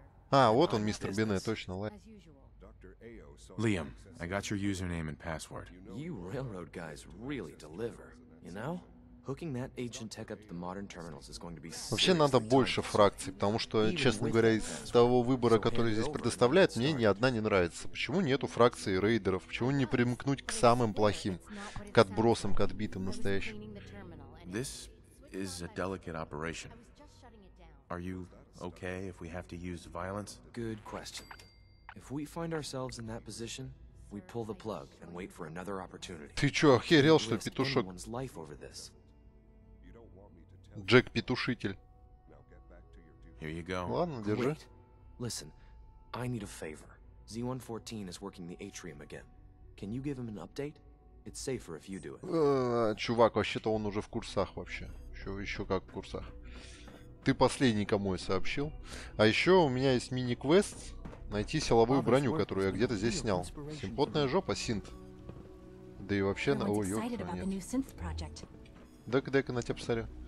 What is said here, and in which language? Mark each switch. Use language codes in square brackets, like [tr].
[ru] А, вот он, мистер Бене, точно. [en] Liam, I got your username and password. You railroad guys really deliver, you know? Hooking that ancient tech up to the modern terminals is going to be. [ru] Вообще надо больше фракций, потому что, честно говоря, из того выбора, который здесь предоставляет, мне ни одна не нравится. Почему нету фракции рейдеров? Почему не примкнуть к самым плохим, к отбросам, к отбитым настоящим? [en] This is a delicate operation. Are you okay if we have to use violence? Good question. If we find ourselves in that position, we pull the plug and wait for another opportunity. [ru] Ты чё, охерел, что ли, петушок? Джек Петушитель. Ладно, держи. [en] Listen, I need a favor. Z114 is working the atrium again. Can you give him an update? It's safer if you do it. [ru] Чувак, вообще-то он уже в курсах вообще. Еще как в курсах. Ты последний, кому я сообщил. А еще у меня есть мини-квест. Найти силовую броню, которую я где-то здесь снял. Симпотная жопа, синт. Да и вообще, на ой, дэк-дэк, на тебя посмотрю.